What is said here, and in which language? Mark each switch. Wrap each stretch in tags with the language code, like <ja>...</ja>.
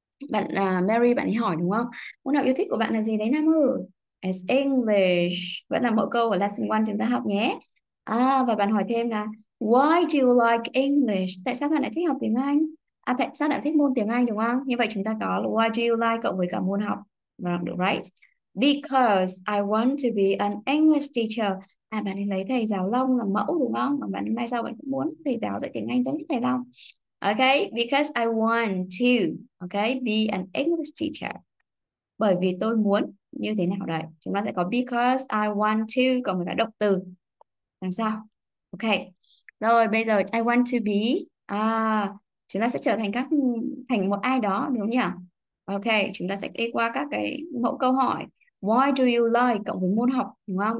<vi>Bạn Mary, bạn ấy hỏi đúng không? Môn học yêu thích của bạn là gì đấy, Nam ơi?</vi> <en>It's English.</en> <vi>Vẫn là mẫu câu của lesson 1 chúng ta học nhé. À, và bạn hỏi thêm là</vi> <en>why do you like English?</en> <vi>Tại sao bạn lại thích học tiếng Anh? À, tại sao bạn thích môn tiếng Anh đúng không? Như vậy chúng ta có</vi> <en>why do you like</en> <vi>cộng với cả môn học. Vâng, được,</vi> <en>right? Because I want to be an English teacher.</en> <vi>À, bạn ấy lấy thầy giáo Long là mẫu đúng không? Và bạn mai sau bạn cũng muốn thầy giáo dạy tiếng Anh giống như thầy Long.</vi> <en>Okay, because I want to, okay, be an English teacher.</en> <vi>Bởi vì tôi muốn như thế nào đấy? Chúng ta sẽ có</vi> <en>because I want to</en> <vi>cộng với cả động từ. Làm sao? Okay, Rồi bây giờ</vi> <en>I want to be,</en> <vi>chúng ta sẽ trở thành thành một ai đó đúng nhỉ? Ok, chúng ta sẽ đi qua các cái mẫu câu hỏi.</vi> <en>Why do you like</en> <vi>cộng với môn học đúng không?</vi>